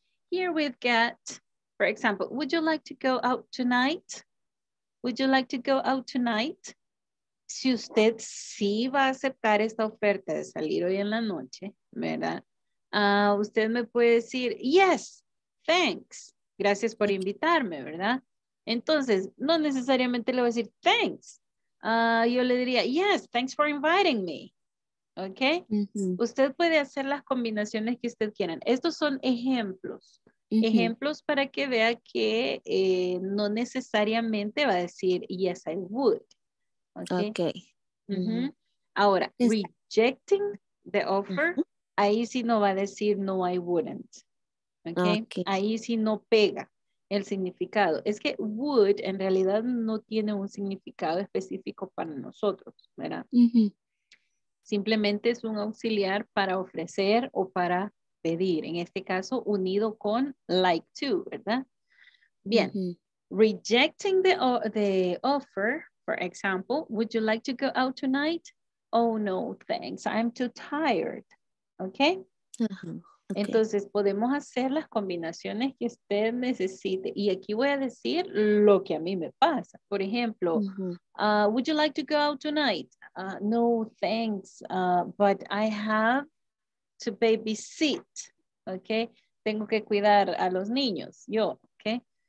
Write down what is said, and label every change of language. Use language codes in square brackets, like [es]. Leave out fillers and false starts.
[en] Here we've got, for example, would you like to go out tonight? Would you like to go out tonight? [es] Si usted sí va a aceptar esta oferta de salir hoy en la noche, ¿verdad? Usted me puede decir, [en] yes, thanks. [es] Gracias por invitarme, ¿verdad? Entonces, no necesariamente le voy a decir thanks. Yo le diría, [en] yes, thanks for inviting me. [es] ¿Ok? Usted puede hacer las combinaciones que usted quiera. Estos son ejemplos. Ejemplos para que vea que no necesariamente va a decir, [en] yes, I would. Ok. [es] Ahora, [en] rejecting the offer, [es] ahí sí no va a decir, [en] no, I wouldn't. [es] ¿Okay? Ahí sí no pega. El significado es que would en realidad no tiene un significado específico para nosotros, ¿verdad? Simplemente es un auxiliar para ofrecer o para pedir. En este caso, unido con like to, ¿verdad? Bien. [en] Rejecting the offer, for example, would you like to go out tonight? Oh, no, thanks. I'm too tired. ¿Okay? Okay. [es] Entonces, podemos hacer las combinaciones que usted necesite. Y aquí voy a decir lo que a mí me pasa. Por ejemplo, [en] would you like to go out tonight? No, thanks, but I have to babysit, okay? [es] Tengo que cuidar a los niños, yo, okay?